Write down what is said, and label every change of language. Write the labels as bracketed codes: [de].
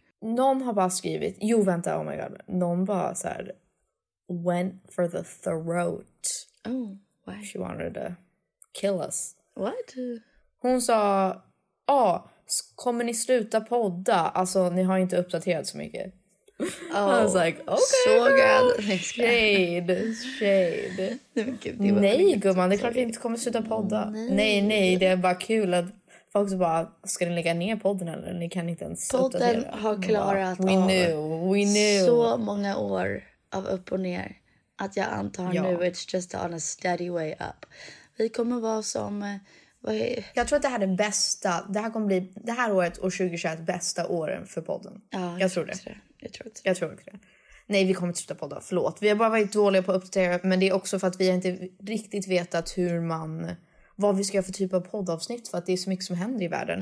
[sv] Någon har bara skrivit, jo vänta, [en] oh my god. [sv] Någon bara så här [en] went for the throat. Oh, why? She wanted to kill us. What? [sv] Hon sa, ja, kommer ni sluta podda? Alltså, ni har inte uppdaterat så mycket. [en] Oh, I was like, okay, so good. Shade, shade. [sv] Nej, gumman, det är klart vi inte kommer sluta podda. Nej, nej, det är bara kul att folk bara, ska ni lägga ner podden eller? Ni kan inte ens podden uppdatera. Podden har klarat bara, [en] we knew. [sv] Så många år av upp och ner. Att jag antar nu, [en] it's just on a steady way up. [sv] Vi kommer vara som... Jag tror att det här är bästa... Det här kommer bli det här året och 2021 bästa åren för podden. Ja, jag tror det. Jag tror det. Nej, vi kommer inte sluta podda. Förlåt. Vi har bara varit dåliga på att uppdatera. Men det är också för att vi inte riktigt vetat hur man... Vad vi ska göra för typ av poddavsnitt. För att det är så mycket som händer i världen.